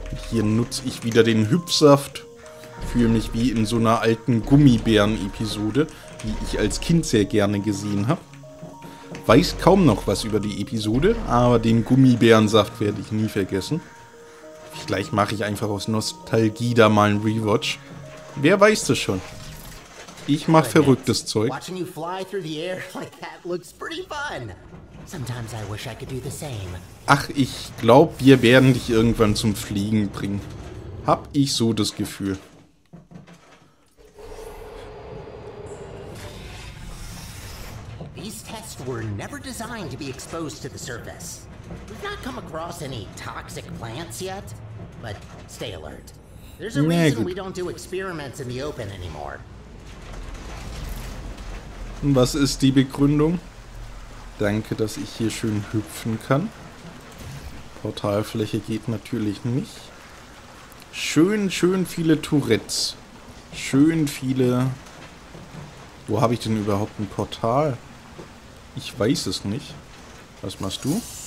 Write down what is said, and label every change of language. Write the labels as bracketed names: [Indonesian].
[German] Hier nutze ich wieder den Hüpfsaft. Fühle mich wie in so einer alten Gummibären-Episode, die ich als Kind sehr gerne gesehen habe. Weiß kaum noch was über die Episode, aber den Gummibärensaft werde ich nie vergessen. Vielleicht mache ich einfach aus Nostalgie da mal einen Rewatch. Wer weiß das schon? Ich mache verrücktes Zeug. [English] Watching you fly through the air like that looks pretty fun. Sometimes I wish I could do the same. [German] Ach, ich glaube, wir werden dich irgendwann zum Fliegen bringen. Hab ich so das Gefühl. [English] These tests were never designed to be exposed to the surface. We've not come across any toxic plants yet, but stay alert. There's a reason we don't do experiments in the open anymore. [German] Was ist die Begründung? Danke, dass ich hier schön hüpfen kann. Portalfläche geht natürlich nicht. Schön, schön viele Tourettes. Schön viele... Wo habe ich denn überhaupt ein Portal? Ich weiß es nicht. Was machst du?